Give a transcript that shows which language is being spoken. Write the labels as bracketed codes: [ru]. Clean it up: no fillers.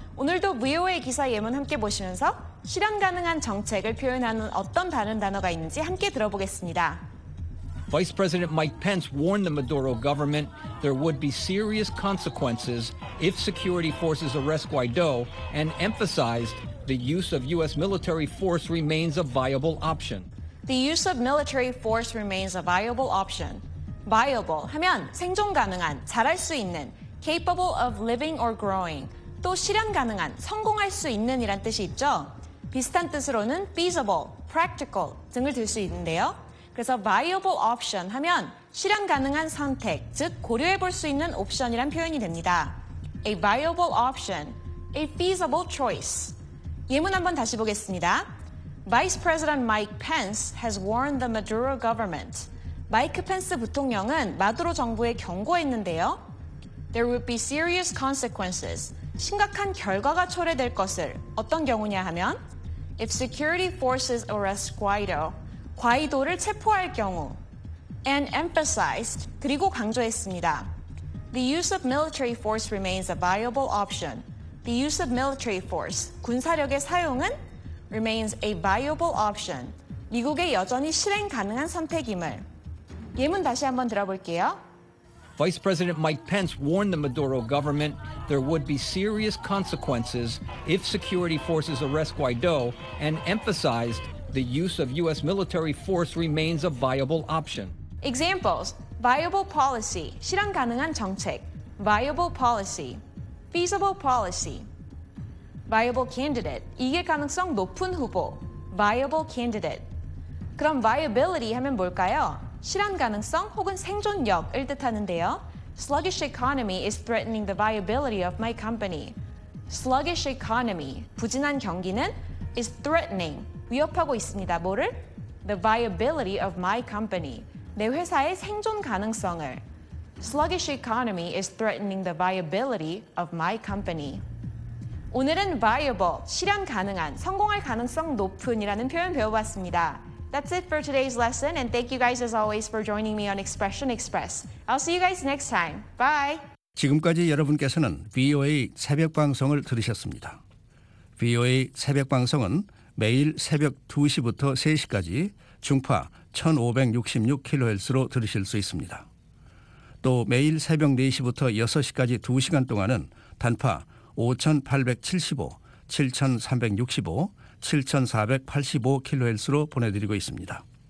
[ko] 오늘도 VOA 기사 예문 함께 보시면서 실현 가능한 정책을 표현하는 어떤 다른 단어가 있는지 함께 들어보겠습니다. [en] Vice President Mike Pence warned the Maduro government there would be serious consequences if security forces arrest Guaido and emphasized the use of U.S. military force remains a viable option. The use of military force remains a viable option. [ko] Viable 하면 생존 가능한, 잘할 수 있는, [en] capable of living or growing, [ko] 또 실현 가능한, 성공할 수 있는 이란 뜻이 있죠. 비슷한 뜻으로는 feasible, practical 등을 들 수 있는데요. 그래서 viable option 하면 실현 가능한 선택, 즉 고려해 볼 수 있는 옵션이란 표현이 됩니다. [en] A viable option, a feasible choice. [ko] 예문 한번 다시 보겠습니다. [en] Vice President Mike Pence has warned the Maduro government. [ko] 마이크 펜스 부통령은 마두로 정부에 경고했는데요. [en] There would be serious consequences. [ko] 심각한 결과가 초래될 것을 어떤 경우냐 하면 [en] If security forces arrest Guaido, [ko] 과이도를 체포할 경우 [en] And emphasized, [ko] 그리고 강조했습니다. [en] The use of military force remains a viable option. The use of military force, [ko] 군사력의 사용은 [en] remains a viable option. [ko] 미국의 여전히 실행 가능한 선택임을. 예문 다시 한번 들어볼게요. [en] Vice President Mike Pence warned the Maduro government there would be serious consequences if security forces arrest Guaido and emphasized the use of U.S. military force remains a viable option. Examples, viable policy, [ko] 실현 가능한 정책, [en] viable policy, feasible policy, viable candidate, [ko] 이길 가능성 높은 후보, [en] viable candidate. [ko] 그럼 viability 하면 뭘까요? 실현 가능성 혹은 생존력을 뜻하는데요. [en] Sluggish economy is threatening the viability of my company. Sluggish economy, [ko] 부진한 경기는 [en] is threatening, [ko] 위협하고 있습니다. 뭐를? [en] The viability of my company. [ko] 내 회사의 생존 가능성을. [en] Sluggish economy is threatening the viability of my company. [ko] 오늘은 viable, 실현 가능한, 성공할 가능성 높은이라는 표현 배워봤습니다. [en] That's it for today's lesson, and thank you guys as always for joining me on Expression Express. I'll see you guys next time. Bye! [ko] 지금까지 여러분께서는 VOA 새벽 방송을 들으셨습니다. VOA 새벽 방송은 매일 새벽 2시부터 3시까지 중파 1566kHz로 들으실 수 있습니다. 또 매일 새벽 4시부터 6시까지 2시간 동안은 단파 5875, 7365, 7485kHz로 보내드리고 있습니다.